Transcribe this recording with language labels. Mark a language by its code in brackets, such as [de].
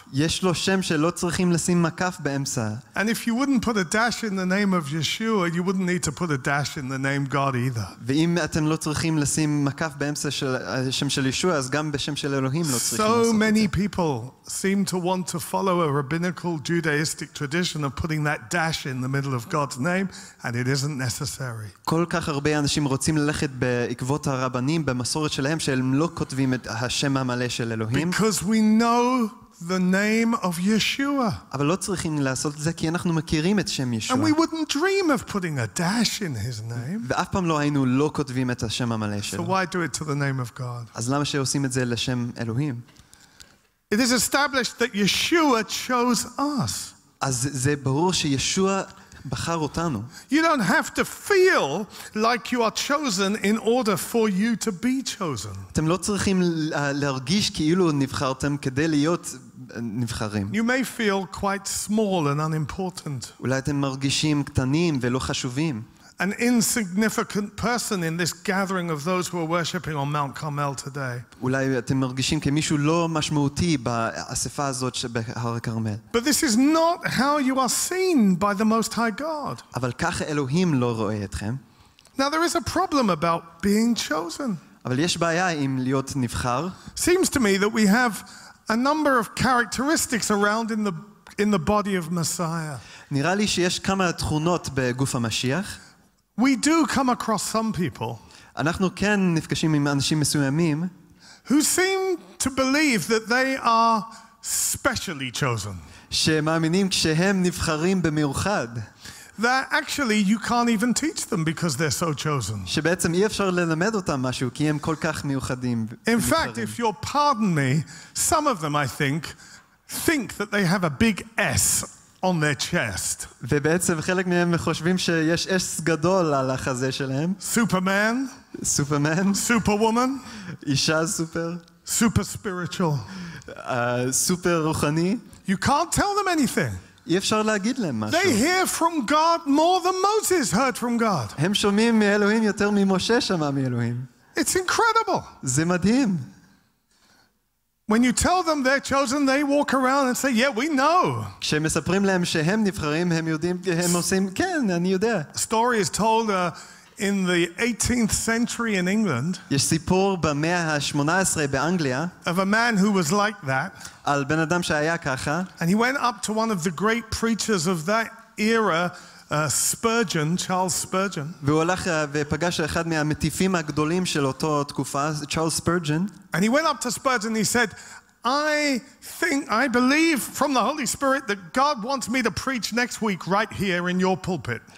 [he] יש לו שם שלא צריכים לשים מקף באמצע. [en] And if you wouldn't put a dash in the name of Yeshua, you wouldn't need to put a dash in the name God either. [he] ואם אתם לא צריכים לשים מקף באמצע של השם של ישוע, אז גם בשם של אלוהים לא צריכים. [en] So many people seem to want to follow a rabbinical Judaistic tradition of putting that dash in the middle of God's name, and it isn't necessary. [he] כל כך הרבה אנשים רוצים ללכת בעקבות הרבנים במסורת שלהם שהם לא כותבים את השם המלא של אלוהים. [en] Because we know the name of Yeshua. [he] אבל לא צריכים לעשות זה כי אנחנו מכירים את שם ישוע. [en] And we wouldn't dream of putting a dash in his name. [he] ואף פעם לא היינו לא כותבים את השם המלא שלו. [en] So why do it to the name of God? [he] אז למה שעושים את זה לשם אלוהים? [en] It is established that Yeshua chose us. [he] אז זה ברור שישוע בחר אותנו. [en] You don't have to feel like you are chosen in order for you to be chosen. [he] אתם לא צריכים להרגיש כאילו נבחרתם כדי להיות נבחרים. [en] You may feel quite small and unimportant. [he] אולי אתם מרגישים קטנים ולא חשובים. [en] An insignificant person in this gathering of those who are worshiping on Mount Carmel today. [he] אולי אתם מרגישים כמישהו לא משמעותי באספה הזאת בהר הכרמל. [en] But this is not how you are seen by the Most High God. [he] אבל ככה אלוהים לא רואה אתכם. [en] Now there is a problem about being chosen. [he] אבל יש בעיה עם להיות נבחר. [en] Seems to me that we have a number of characteristics around in the body of Messiah. [he] נראה לי שיש כמה תכונות בגוף המשיח. [en] We do come across some people [he] אנחנו כן נפגשים עם אנשים מסוימים [en] who seem to believe that they are specially chosen [he] שמאמינים שהם נבחרים במיוחד [en] that actually you can't even teach them because they're so chosen [he] שבעצם אי אפשר ללמד אותם משהו כי הם כל כך מיוחדים [en] In fact if you'll pardon me some of them I think that they have a big S on their chest. [he] ובעצם חלק מהם חושבים שיש אס גדול על החזה שלהם. [en] Superman. Superman. Superwoman. [he] אישה סופר. [en] Super spiritual. [he] סופר רוחני. [en] You can't tell them anything. [he] אי אפשר להגיד להם משהו. [en] They hear from God more than Moses heard from God. [he] הם שומעים מאלוהים יותר ממשה שמע מאלוהים. [en] It's incredible. [he] זה מדהים. [en] When you tell them they're chosen, they walk around and say, "Yeah, we know." [he] כשמספרים להם שהם נבחרים, הם יודעים, הם עושים, כן, אני יודע. [en] Story is told in the 18th century in England. [he] יש סיפור במאה ה-18 באנגליה. [en] Of a man who was like that. [he] על בן אדם שהיה ככה. [en] And he went up to one of the great preachers of that era, Spurgeon, Charles Spurgeon. [he] והוא הלך ופגש אחד מהמטיפים הגדולים של אותו תקופה, Charles Spurgeon. [en] And he went up to Spurgeon and he said, I believe from the Holy Spirit that God wants me to preach next week right here in your pulpit.